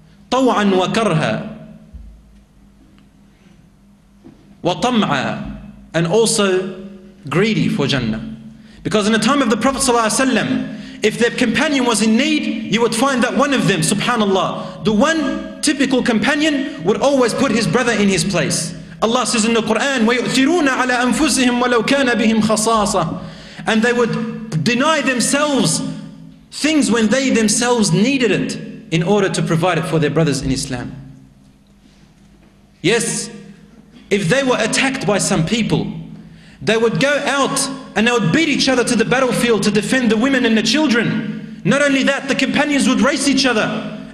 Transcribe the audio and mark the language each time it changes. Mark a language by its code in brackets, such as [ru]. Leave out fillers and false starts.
[ar] طَوْعًا وَكَرْهًا وَطَمْعًا. [en] And also greedy for Jannah. Because in the time of the Prophet sallallahu alaihi wasallam, if their companion was in need, you would find that one of them, subhanallah, the one typical companion, would always put his brother in his place. Allah says in the Quran, [ar] وَيُؤْثِرُونَ عَلَىٰ أَنفُسِهِمْ وَلَوْ كَانَ بِهِمْ خَصَاصَةً. [en] And they would deny themselves things when they themselves needed it in order to provide it for their brothers in Islam. Yes, if they were attacked by some people, they would go out and they would beat each other to the battlefield to defend the women and the children. Not only that, the companions would race each other